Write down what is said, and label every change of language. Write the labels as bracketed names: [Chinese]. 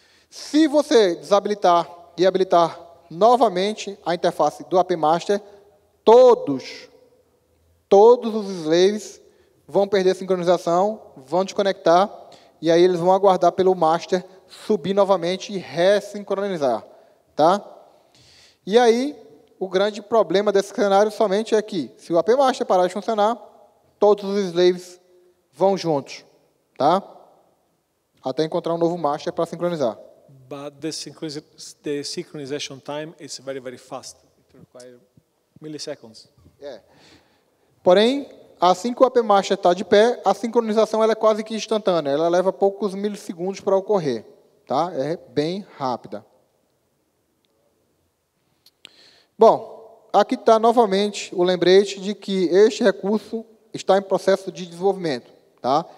[Portuguese] Se você desabilitar e habilitar novamente a interface do AP master, todos os slaves vão perder a sincronização, vão desconectar, e aí eles vão aguardar pelo master subir novamente e ressincronizar. Tá? E aí, o grande problema desse cenário somente é que, se o AP master parar de funcionar, todos os slaves vão juntos. Tá? Até encontrar um novo master para sincronizar. Mas [English] the synchronization time is very, very fast. It requires milliseconds. Yeah. [Portuguese] Porém, assim que o AP master está de pé, a sincronização ela é quase que instantânea. Ela leva poucos milissegundos para ocorrer. Tá? É bem rápida. Bom, aqui está novamente o lembrete de que este recurso está em processo de desenvolvimento. Tá?